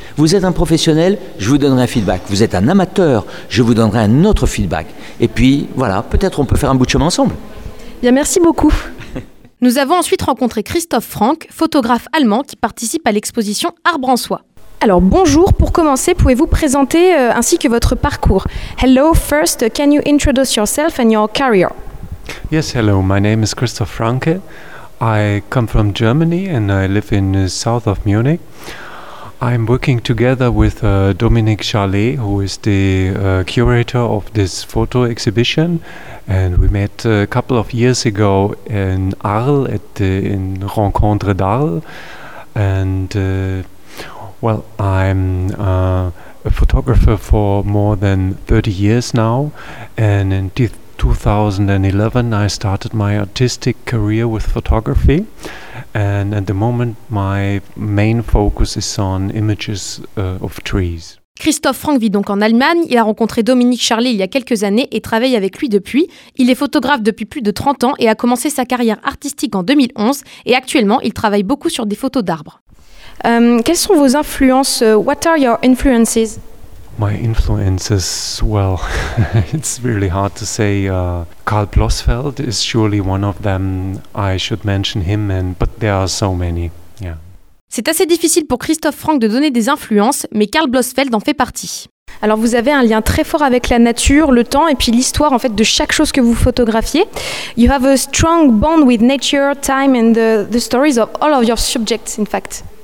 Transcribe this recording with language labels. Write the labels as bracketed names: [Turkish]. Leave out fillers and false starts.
[French] Vous êtes un professionnel, je vous donnerai un feedback. Vous êtes un amateur, je vous donnerai un autre feedback. Et puis, voilà, peut-être on peut faire un bout de chemin ensemble. Bien, merci beaucoup. Nous avons ensuite rencontré Christophe Franck, photographe allemand qui participe à l'exposition Art Brensois. Alors bonjour, pour commencer, pouvez-vous présenter ainsi que votre parcours? [English] Hello, first, can you introduce yourself and your career? Yes, hello, my name is Christoph Franke. I come from Germany and I live in the south of Munich. I'm working together with Dominique Charlet, who is the curator of this photo exhibition. And we met a couple of years ago in Arles, in Rencontre d'Arles. And well, I'm a photographer for more than 30 years now. And in 2011, I started my artistic career with photography. And at the moment, my main focus is on images of trees. [French] Christophe Franck vit donc en Allemagne. Il a rencontré Dominique Charlet il y a quelques années et travaille avec lui depuis. Il est photographe depuis plus de 30 ans et a commencé sa carrière artistique en 2011. Et actuellement, il travaille beaucoup sur des photos d'arbres. Quelles sont vos influences? [English] What are your influences? My influences, well, it's really hard to say. Karl Blossfeld is surely one of them. I should mention him, but there are so many. Yeah. [French] C'est assez difficile pour Christophe Franck de donner des influences, mais Karl Blossfeld en fait partie. Alors vous avez un lien très fort avec la nature, le temps et puis l'histoire en fait de chaque chose que vous photographiez. [English] You have a strong bond with nature, time and the stories of all of your subjects in fact.